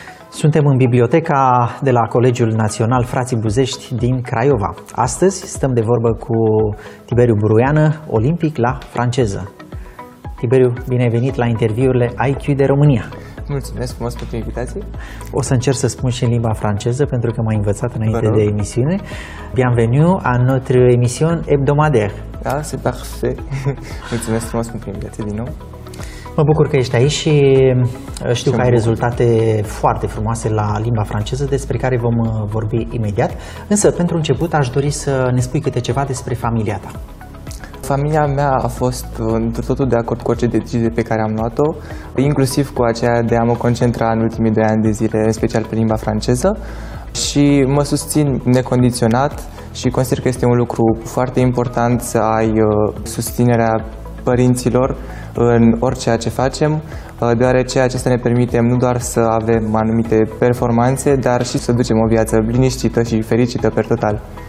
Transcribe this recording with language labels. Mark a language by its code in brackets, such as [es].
[ro] Suntem în biblioteca de la Colegiul Național Frații Buzești din Craiova. Astăzi stăm de vorbă cu Tiberiu Buruiană, olimpic la franceză. Tiberiu, bine ai venit la interviurile IQ de România. Mulțumesc frumos pentru invitație. O să încerc să spun și în limba franceză, pentru că m-ai învățat înainte de emisiune. [fr] Bienvenue à notre émission hebdomadaire. Da, c'est parfait. [ro] Mulțumesc frumos pentru invitație din nou. Mă bucur că ești aici și știu că ai rezultate foarte frumoase la limba franceză, despre care vom vorbi imediat. Însă, pentru început, aș dori să ne spui câte ceva despre familia ta. Familia mea a fost într totul de acord cu orice decizie pe care am luat-o, inclusiv cu aceea de a mă concentra în ultimii 2 ani de zile, în special pe limba franceză, și mă susțin necondiționat și consider că este un lucru foarte important să ai susținerea părinților în orice ce facem, deoarece acestea ne permite nu doar să avem anumite performanțe, dar și să ducem o viață liniștită și fericită pe total.